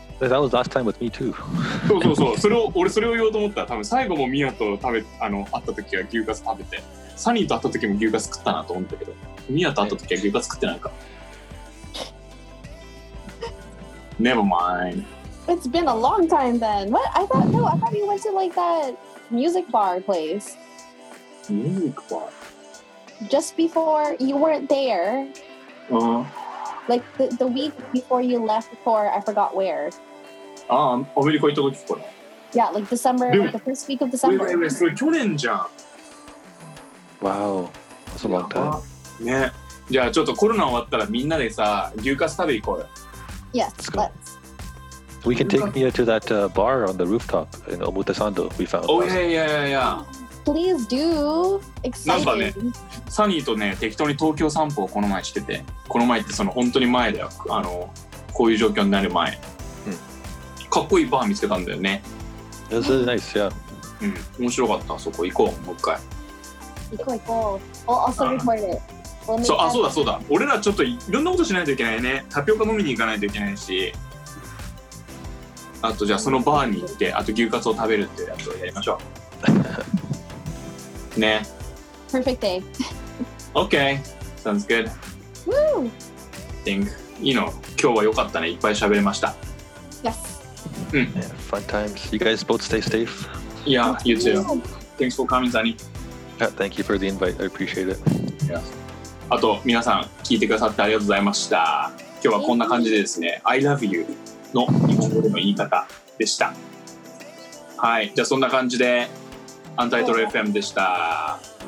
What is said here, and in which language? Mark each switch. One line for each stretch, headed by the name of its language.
English: That was last time with me too.
Japanese: そうそうそう。それを言おうと思った。多分最後もミヤと会った時は牛カツ食べて、サニーと会った時も牛カツ食ったなと思ったけど、ミヤと会った時は牛カツ食ってないか。
English: Never mind. It's been a long time then. What? I thought you went to like that music bar place. Music bar? Just before you weren't there. Uh-huh. Like the week before you left for I forgot where.
Japanese: America行った時かな。
English: Yeah, like December, like the first week of December.
Japanese: Wait, それ去年じゃん。
English: Wow, that's a long time.
Japanese: ね。じゃあちょっとコロナ終わったらみんなでさ、牛カツ食べ行こうよ。
English: Yes, let's. We can take Mia to that bar on the rooftop in Omotesando we found. Oh, yeah. Please do. Exciting.
Japanese: なんかね、サニーとね、適当に東京散歩をこの前してて、この前ってその本当に前だよ。あの、こういう状況になる前。うん、かっこいいバー見つけたんだよね。
English: That's really nice, yeah.
Japanese: うん、面白かった。そこ行こう、もう一回。行こう。
English: I'll also record it.
Japanese: そう、あ、そうだ。俺らちょっといろんなことしないといけないね。タピオカ飲みに行かないといけないし。あとじゃあそのバーに行って、あと牛カツを食べるってやつをやりましょう。ね。
English: Perfect day. Okay. Sounds good. Woo! I think, you know,
Japanese: 今日は良かったね。いっぱい喋れました。
English: Yes. Fun times. You guys both stay safe. Yeah, you too. Thanks for coming, Zani. Yeah, thank you for the invite. I appreciate it.
Japanese: Yeah. あと皆さん聞いてくださってありがとうございました。今日はこんな感じでですね。
English: I love you.
Japanese: の日本語での言い方でした。はい、じゃあそんな感じでアンタイトル FM でした。